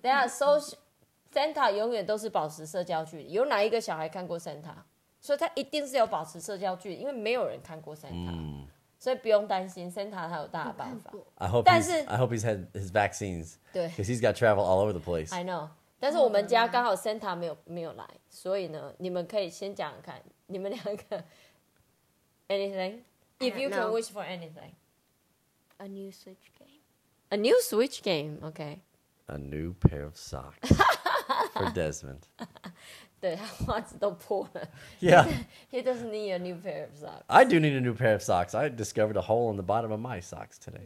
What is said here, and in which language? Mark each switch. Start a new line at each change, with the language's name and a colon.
Chinese: 等下 ，Santa 永远都是保持社交距离。有哪一个小孩看过 Santa？ 所以他一定是有保持社交距离，因为没有人看过 Santa，所以不用担心 Santa 他有大的办法。
English: I hope.
Chinese: 但是
English: I hope he's had his vaccines.
Chinese: 对
English: ，because he's got to travel all over the place. I know.
Chinese: 但是我们家刚好 Santa 没有来，所以呢，你们可以先讲讲看，你们两个
English: anything。 If you can wish for anything. A new Switch game. A new Switch game, okay. A new pair of socks. for Desmond.
Chinese: 对，他袜子都破了。
English: Yeah. He doesn't need a new pair of socks. I do need a new pair of socks. I discovered a hole in the bottom of my socks today.